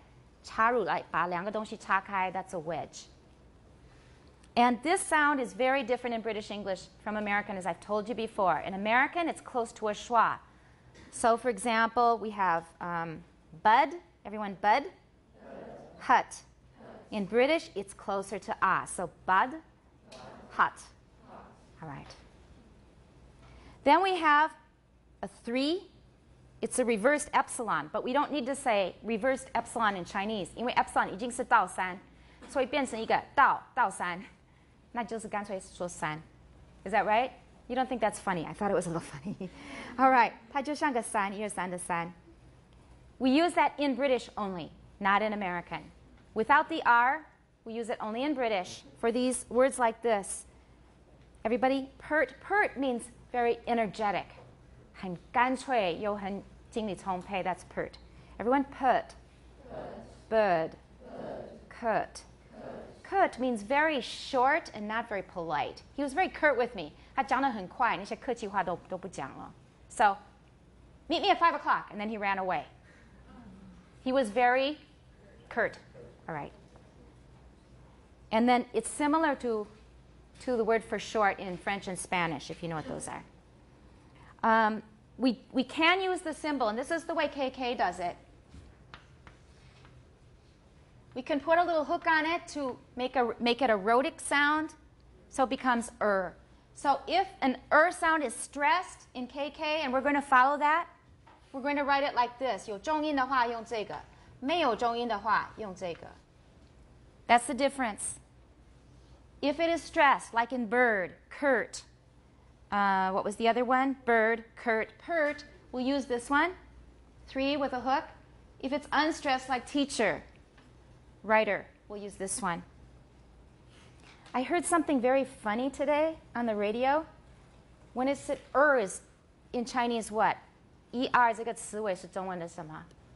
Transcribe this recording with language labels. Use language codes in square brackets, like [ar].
[zh] 一个三角形的东西可以用来插入来把两个东西插开. [en] That's a wedge. And this sound is very different in British English from American, as I've told you before. In American, it's close to a schwa. So, for example, we have bud. Everyone, bud. Hut. In British, it's closer to ah. So bud, hut. All right. Then we have a three. It's a reversed epsilon, but we don't need to say reversed epsilon in Chinese. [zh] 因为 epsilon 已经是倒三, 所以变成一个倒三, 那就是干脆说三. [en] Is that right? You don't think that's funny? I thought it was a little funny. All right. [zh] 它就像个三, 一二三的三. [en] We use that in British only, not in American. Without the R, we use it only in British for these words like this. Everybody, pert. Pert means very energetic. [zh] 很干脆又很精力充沛, [en] that's pert. Everyone, pert. Bird. Curt. Curt means very short and not very polite. He was very curt with me. [zh] 他讲得很快,那些客气话都不讲了. [en] So, meet me at 5 o'clock, and then he ran away. He was very curt. All right. And then it's similar to the word for short in French and Spanish, if you know what those are. We can use the symbol, and this is the way KK does it. We can put a little hook on it to make it a rhotic sound, so it becomes er. So if an er sound is stressed in KK, and we're going to follow that, we're going to write it like this. [zh] 有重音的话用这个, 没有重音的话用这个. [en] That's the difference. If it is stressed, like in bird, curt, what was the other one? Bird, curt, pert, we'll use this one, three with a hook. If it's unstressed, like teacher, writer, we'll use this one. I heard something very funny today on the radio. When it said er is in Chinese what? [zh] Er 这个词尾是中文的什么?